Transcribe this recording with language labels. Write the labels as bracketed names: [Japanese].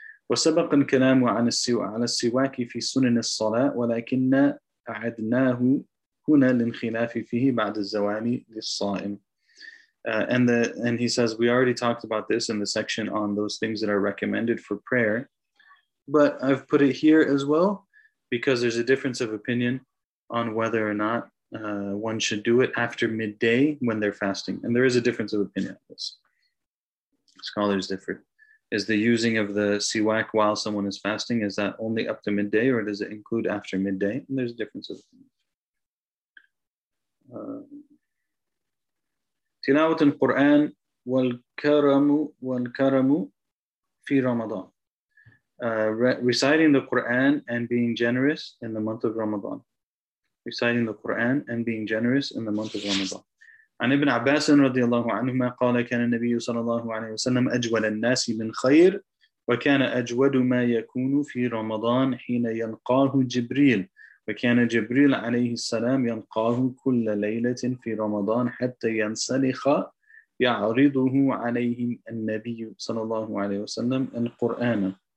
[Arabic] وسبق الكلام عن السواك في سنن الصلاة ولكن أعدناه هنا للخلاف فيه بعد الزوال للصائم. [English] And he says, we already talked about this in the section on those things that are recommended for prayer, but I've put it here as well because there's a difference of opinion on whether or not one should do it after midday when they're fasting. And there is a difference of opinion on this. Scholars differ. Is the using of the siwak while someone is fasting, is that only up to midday or does it include after midday? And there's a difference of opinion. [Arabic] Tilawat al-Quran wal-karamu fi Ramadan. [English] Reciting the Quran and being generous in the month of Ramadan. Reciting the Quran and being generous in the month of Ramadan. [Arabic] عن ابن عباس رضي الله عنهما قال كان النبي صلى الله عليه وسلم أجود الناس من خير وكان أجود ما يكون في رمضان حين يلقاه جبريل وكان جبريل عليه السلام يلقاه كل ليلة في رمضان حتى ينسلخ يعرضه عليه النبي صلى الله عليه وسلم القرآن.